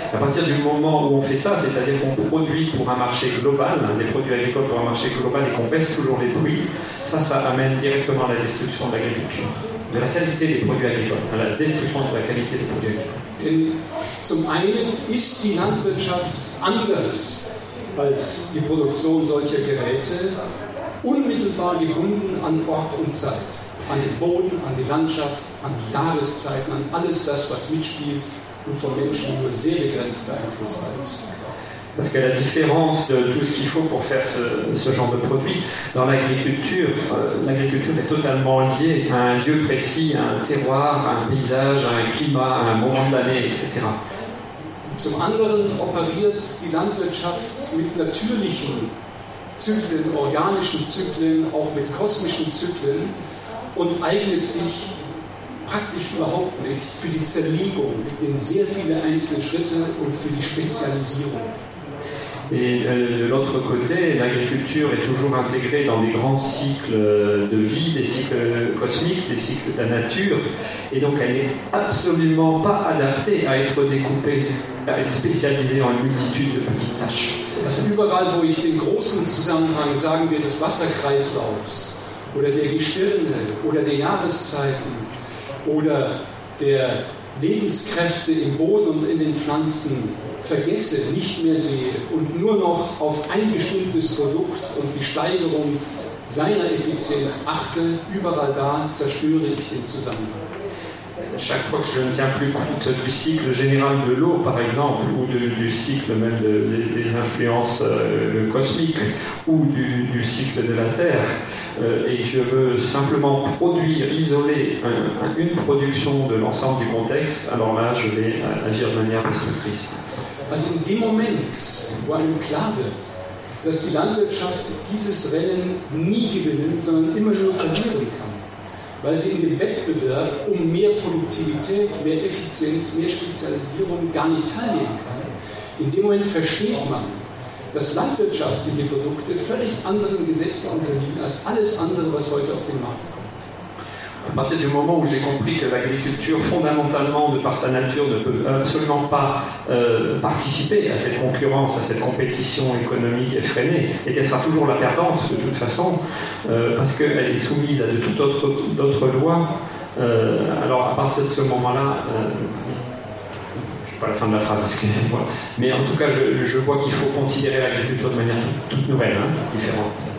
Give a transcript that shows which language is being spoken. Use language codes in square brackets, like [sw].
[fr] À partir du moment où on fait ça, c'est-à-dire qu'on produit pour un marché global, des produits agricoles pour un marché global et qu'on baisse toujours les prix, ça amène directement à la destruction de l'agriculture, de la qualité des produits agricoles, à la destruction de la qualité des produits agricoles. [de] Denn zum einen ist die Landwirtschaft anders als die Produktion solcher Geräte, unmittelbar gebunden an Ort und Zeit, an den Boden, an die Landschaft, an die Jahreszeiten, an alles das, was mitspielt und von Menschen nur sehr begrenzt beeinflusst wird. [fr] Parce qu'à la différence de tout ce qu'il faut pour faire ce genre de produit, dans l'agriculture, l'agriculture est totalement liée à un lieu précis, à un terroir, à un paysage, à un climat, à un moment de l'année, etc. [de] Zum anderen operiert die Landwirtschaft mit natürlichen Zyklen, organischen Zyklen, auch mit kosmischen Zyklen und eignet sich praktisch überhaupt nicht für die Zerlegung in sehr viele einzelne Schritte und für die Spezialisierung. [fr] Et de l'autre côté, l'agriculture est toujours intégrée dans des grands cycles de vie, des cycles cosmiques, des cycles de la nature, et donc elle n'est absolument pas adaptée à être découpée, à être spécialisée en une multitude de petites tâches. [de] Also überall, wo ich den großen Zusammenhang, sagen wir, des Wasserkreislaufs, oder der Gestirne, oder der Jahreszeiten, oder der Lebenskräfte im Boden und in den Pflanzen, vergesse, nicht mehr sehe und nur noch auf ein bestimmtes Produkt und die Steigerung seiner Effizienz achte, überall da zerstöre ich den Zusammenhang. [fr] chaque fois que je ne tiens plus compte du cycle général de l'eau, par exemple, ou du cycle même des influences cosmiques, ou du cycle de la Terre, et je veux simplement produire, isoler une production de l'ensemble du contexte, alors là, je vais agir de manière destructrice. [de] Also in dem Moment, wo einem klar wird, dass die Landwirtschaft dieses Rennen nie gewinnen, sondern immer nur verlieren kann, weil sie in dem Wettbewerb um mehr Produktivität, mehr Effizienz, mehr Spezialisierung gar nicht teilnehmen kann, in dem Moment versteht man, dass landwirtschaftliche Produkte völlig anderen Gesetzen unterliegen als alles andere, was heute auf den Markt kommt. [fr] À partir du moment où j'ai compris que l'agriculture, fondamentalement, de par sa nature, ne peut absolument pas participer à cette concurrence, à cette compétition économique effrénée, et qu'elle sera toujours la perdante, de toute façon, parce qu'elle est soumise à de toutes d'autres lois, alors à partir de ce moment-là, je ne sais pas la fin de la phrase, excusez-moi, mais en tout cas, je vois qu'il faut considérer l'agriculture de manière toute nouvelle, hein, différente.